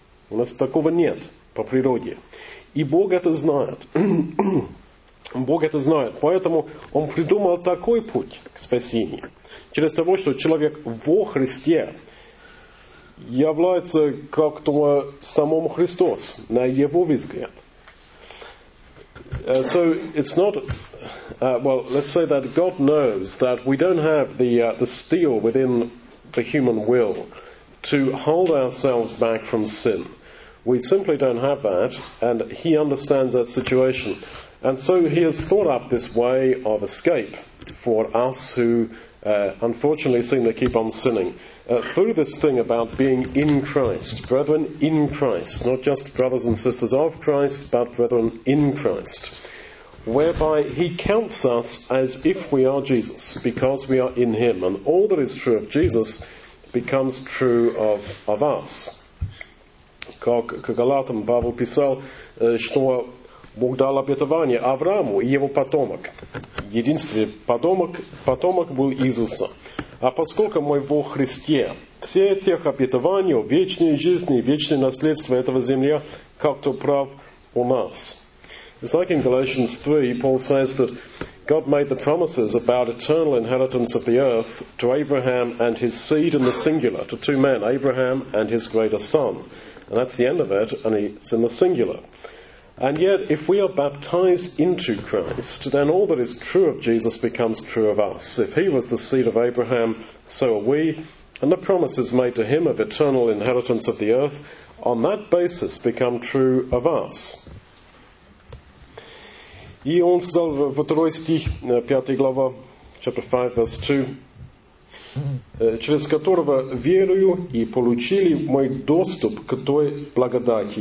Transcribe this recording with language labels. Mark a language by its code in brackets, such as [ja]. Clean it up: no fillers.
[ru] У нас такого нет по природе. И Бог это знает. Бог это знает. Поэтому Он придумал такой путь к спасению. Через того, что человек во Христе является как-то самому Христос, на Его взгляд. [en] So it's not well. Let's say that God knows that we don't have the steel within the human will to hold ourselves back from sin. We simply don't have that, and He understands that situation. And so He has thought up this way of escape for us who unfortunately seem to keep on sinning through this thing about being in Christ, brethren in Christ, not just brothers and sisters of Christ, but brethren in Christ, whereby He counts us as if we are Jesus, because we are in Him, and all that is true of Jesus becomes true of us. [ru] Как к Галатам Павел писал, что Бог дал обетование Аврааму и его потомок. Единственный потомок был Иисуса. А поскольку мы во Христе, все тех обетований, вечной жизни, вечное наследство этого земля, как-то прав у нас. [en] It's like in Galatians 3, Paul says that God made the promises about eternal inheritance of the earth to Abraham and his seed in the singular, to two men, Abraham and his greater son. And that's the end of it, and it's in the singular. And yet, if we are baptized into Christ, then all that is true of Jesus becomes true of us. If He was the seed of Abraham, so are we. And the promises made to Him of eternal inheritance of the earth, on that basis, become true of us. [ru] И он сказал во второй стих, 5 глава, chapter 5, verse 2, через которого верую и получили мой доступ к той благодати.